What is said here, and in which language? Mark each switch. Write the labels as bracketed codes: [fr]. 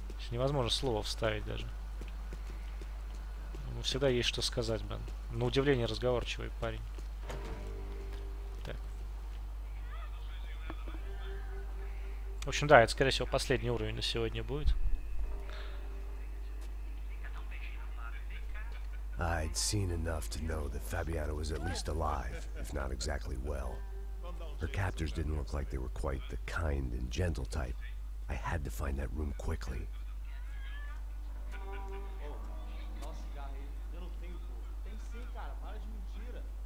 [ru] Невозможно слово вставить даже. Ему всегда есть что сказать, Бен. На удивление разговорчивый парень. Так. В общем, да, это, скорее всего, последний уровень на сегодня будет. [en] I'd seen enough to know that Fabiana was at least alive, if not exactly well. Her captors didn't look like they were quite the kind and gentle type. I had to find that room quickly. [pt] Oh, nossa, garrei. Eu não tenho, pô. Tem sim, cara. Para de mentira.